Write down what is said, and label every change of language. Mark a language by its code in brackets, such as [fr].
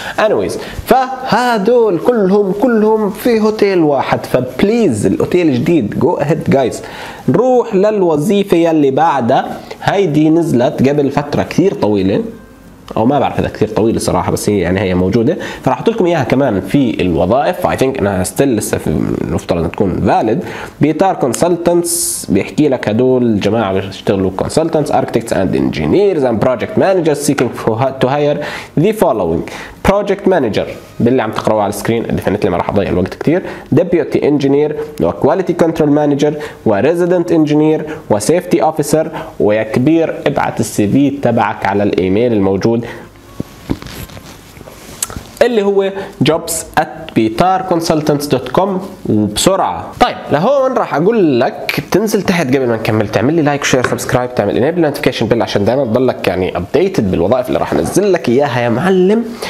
[ar] Anyways فهدول كلهم في هوتيل واحد، فبليز الهوتيل جديد [en] go ahead guys. [ar] نروح للوظيفة يلي بعدها، هيدي نزلت قبل فترة كثير طويلة، او ما بعرف اذا كثير طويلة صراحة، بس هي يعني هي موجودة، فراح احط لكم اياها كمان في الوظائف. [en] I think [ar] انها still لسه نفترض تكون valid. [en] بيتار consultants، [ar] بيحكي لك هدول جماعة بيشتغلوا [en] consultants, architects and engineers and project managers seeking to hire the following. [ar] Project manager باللي عم تقرأوه على السكرين، definitely ما راح اضيع الوقت كثير. [en] Deputy engineer و quality control manager و resident engineer و safety officer. [ar] ويا كبير ابعت السي في تبعك على الايميل الموجود. اللي هو jobs@bitarconsultants.com وبسرعة. طيب لهون راح أقول لك تنزل تحت قبل ما نكمل تعمل لي لايك شير سبسكرايب تعمل enable notification bell عشان دائما تضلك يعني updated بالوظائف اللي راح نزل لك إياها يا معلم.